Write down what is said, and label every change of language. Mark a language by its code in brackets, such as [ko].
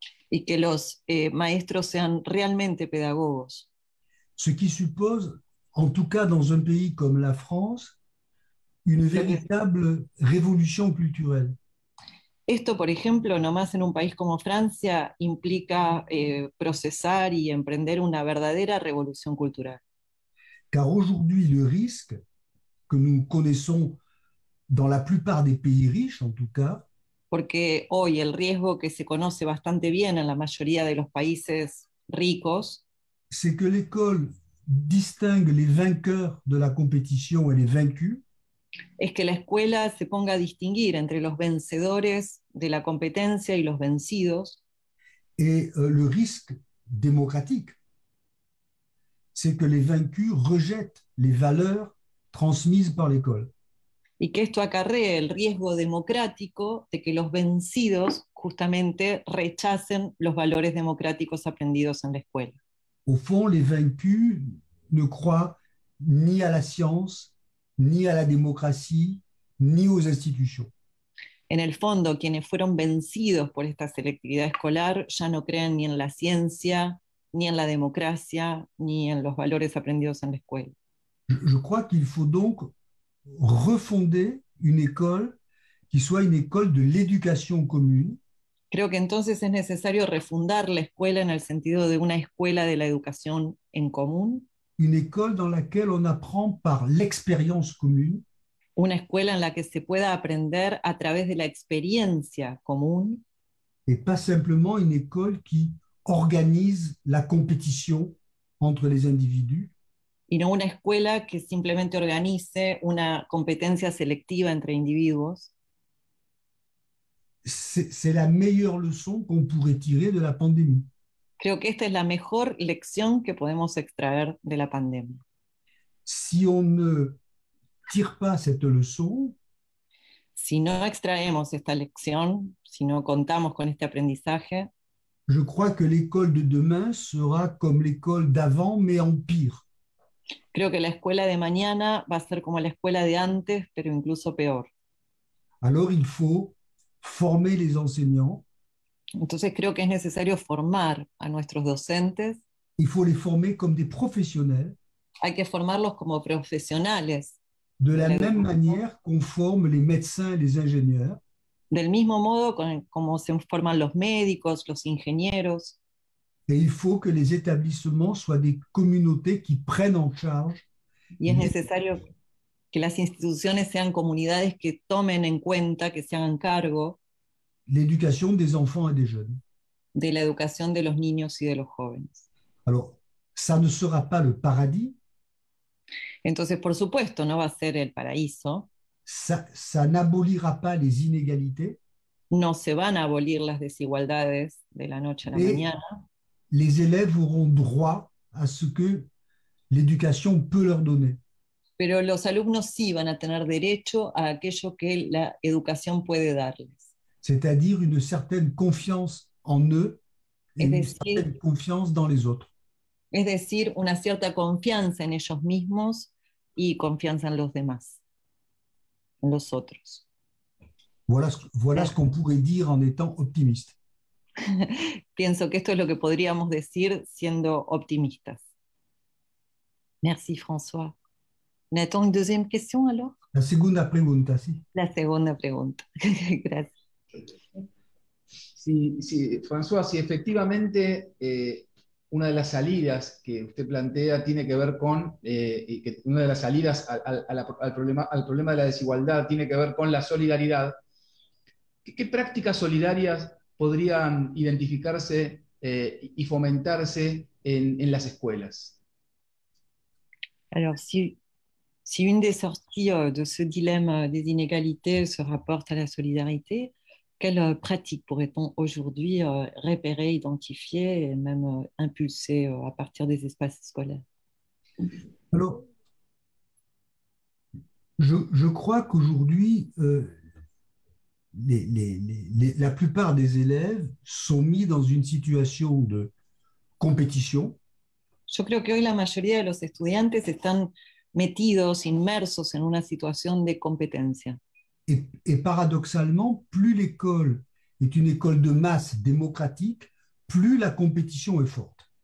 [es] Y que los maestros sean realmente pedagogos. [fr] Ce qui suppose, en tout cas dans un pays comme la France, une véritable révolution culturelle. [es] Esto, por ejemplo, nomás en un país como Francia, implica procesar y emprender una verdadera revolución cultural. [fr] Car aujourd'hui, le risque que nous connaissons dans la plupart des pays riches, en tout cas, [es] porque hoy el riesgo que se conoce bastante bien en la mayoría de los países ricos, [fr] c'est que l'école distingue les vainqueurs de la compétition et les vaincus. [es] Es que la escuela se ponga a distinguir entre los vencedores de la competencia y los vencidos. [fr] Et le risque démocratique, c'est que les vaincus rejettent les valeurs transmises par l'école. [es] Y que esto acarrea el riesgo democrático de que los vencidos justamente rechacen los valores democráticos aprendidos en la escuela. [fr] Au fond, les vaincus ne croient ni à la science, ni à la démocratie, ni aux institutions. [es] En el fondo, quienes fueron vencidos por esta selectividad escolar ya no creen ni en la ciencia, ni en la democracia, ni en los valores aprendidos en la escuela. [fr] Je crois qu'il faut donc refonder une école qui soit une école de l'éducation commune. [es] Creo que entonces es necesario refundar la escuela en el sentido de una escuela de la educación en común. [fr] Une école dans laquelle on apprend par l'expérience commune. [es] Una escuela en la que se pueda aprender a través de la experiencia común. [fr] Et pas simplement une école qui organise la compétition entre les individus. [es] Y no una escuela que simplemente organice una competencia selectiva entre individuos. [fr] C'est la meilleure leçon qu'on pourrait tirer de la pandémie. [es] Creo que esta es la mejor lección que podemos extraer de la pandemia. [fr] Si on ne tire pas cette leçon, [es] si no extraemos esta lección, si no contamos con este aprendizaje, [fr] je crois que l'école de demain sera comme l'école d'avant, mais en pire. [es] Creo que la escuela de mañana va a ser como la escuela de antes, pero incluso peor. [fr] Alors il faut former les enseignants. [es] Entonces creo que es necesario formar a nuestros docentes. [fr] Il faut les former comme des professionnels. [es] Hay que formarlos como profesionales. [fr] De la même manière qu'on forme les médecins et les ingénieurs. [es] Del mismo modo como se forman los médicos, los ingenieros. [fr] Et il faut que les établissements soient des communautés qui prennent en charge. [es] Y es necesario que las instituciones sean comunidades que tomen en cuenta, que se hagan cargo. [fr] L'éducation des enfants et des jeunes. [es] De la educación de los niños y de los jóvenes. [fr] Alors, ça ne sera pas le paradis. [es] Entonces, por supuesto, no va a ser el paraíso. [fr] Ça n'abolira pas les inégalités. [es] No se van a abolir las desigualdades de la noche a la mañana. [fr] Les élèves auront droit à ce que l'éducation peut leur donner. [es] Pero los alumnos sí van a tener derecho a aquello que la educación puede darles. [fr] C'est-à-dire une certaine confiance en eux et une certaine confiance dans les autres. [es] Es decir, una cierta confianza en ellos mismos y confianza en los demás, en los otros. [fr] Voilà ce qu'on pourrait dire en étant optimiste. [es] Pienso que esto es lo que podríamos decir siendo optimistas. [fr] Merci, François. ¿Nathan, une deuxième question, alors? [es] La segunda pregunta, sí. La segunda pregunta. Gracias. Sí, François, sí, efectivamente... Una de las salidas que usted plantea tiene que ver con, una de las salidas al problema de la desigualdad tiene que ver con la solidaridad. ¿Qué prácticas solidarias podrían identificarse y fomentarse en las escuelas? [fr] Alors, si une des sorties de ce dilemme des inégalités se rapporte à la solidarité, quelles pratiques pourrait-on aujourd'hui repérer, identifier et même impulser à partir des espaces scolaires? Alors, je crois qu'aujourd'hui, la plupart des élèves sont mis dans une situation de compétition. Je crois que [es] hoy la mayoría de los estudiantes están metidos, inmersos en una situación de competencia. [fr] Et paradoxalement, plus l'école est une école de masse démocratique, plus la compétition est forte.